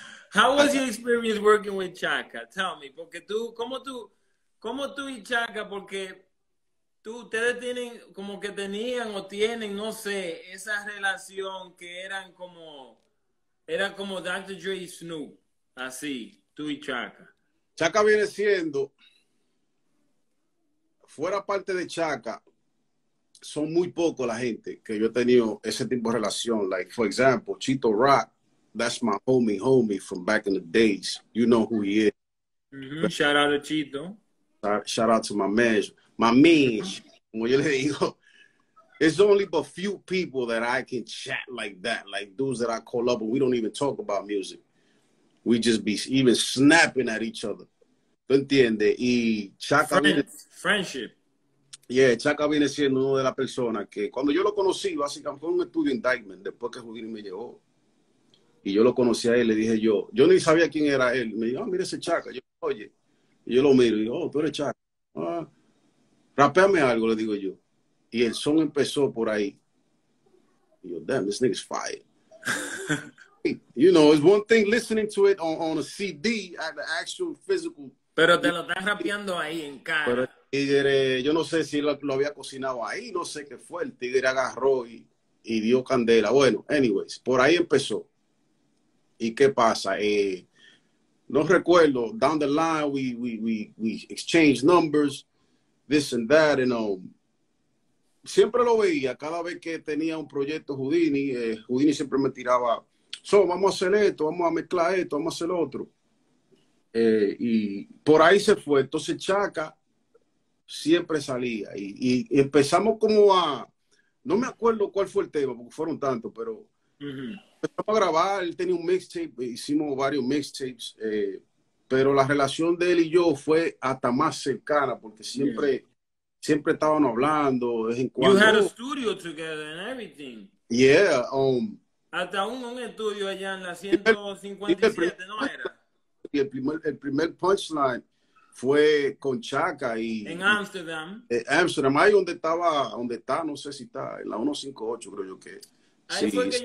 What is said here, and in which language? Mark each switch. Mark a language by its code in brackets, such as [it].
[en] How was your experience working with Chaka? Tell me, [es] porque tú, ¿cómo tú y Chaka, porque ustedes tienen, como que tenían o tienen, no sé, esa relación que eran como Dr. Dre y Snoop, así, tú y Chaka. Chaka viene siendo, fuera parte de Chaka, son muy pocos la gente que yo he tenido ese tipo de relación. [en] Like, for example, Chito Rock, that's my homie from back in the days. You know who he is. Mm-hmm. But, shout out to Chito. Shout out to my man, [es] como yo le digo, [en] it's only but few people that I can chat like that, like dudes that I call up and we don't even talk about music. We just be even snapping at each other. [es] ¿Tú entiendes? Y Chaka [en] Friendship. [es] Yeah, Chaka viene siendo una de las personas que cuando yo lo conocí, básicamente fue un estudio en Diamond, después que Houdini me llevó. Y yo lo conocí a él, le dije yo ni sabía quién era él. Me dijo, mira ese Chaka. Yo, oye, y yo lo miro y digo, tú eres Chaka. Rapéame algo, le digo yo. Y el son empezó por ahí. Y yo, [en] damn, this nigga's fire. You know, it's one thing listening to it on a CD, at the actual physical. [es] Pero te lo estás rapeando ahí en cara. Pero el tigre, yo no sé si lo había cocinado ahí, no sé qué fue. El tigre agarró y dio candela. Bueno, anyways, por ahí empezó. ¿Y qué pasa? No recuerdo, [en] down the line we exchanged numbers. This and that, and [es] siempre lo veía cada vez que tenía un proyecto Houdini. Houdini siempre me tiraba, so vamos a hacer esto, vamos a mezclar esto, vamos a hacer otro. Y por ahí se fue. Entonces Chaka siempre salía y empezamos como a, no me acuerdo cuál fue el tema, porque fueron tantos, pero empezamos a grabar. Él tenía un mixtape, hicimos varios mixtapes. Pero la relación de él y yo fue hasta más cercana, porque siempre, siempre estaban hablando, de vez en cuando. [en] You had a studio together and everything. Yeah. [es] Hasta un estudio allá en la 157, ¿no era? Y el primer punchline fue con Chaka y... En Amsterdam. En Amsterdam, ahí donde está, no sé si está, en la 158 creo yo que ahí sí, fue que sí.